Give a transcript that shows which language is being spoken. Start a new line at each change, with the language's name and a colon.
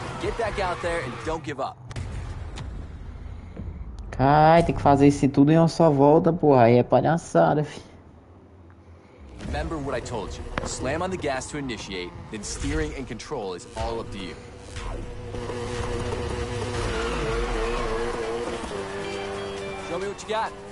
English: Get back out there and don't give up.
Portuguese: Caralho, tem que fazer isso tudo em uma só volta, porra. Aí é palhaçada, fi.
English: Remember what I told you. Slam on the gas to initiate, then steering and control is all up to you. Show me what you got.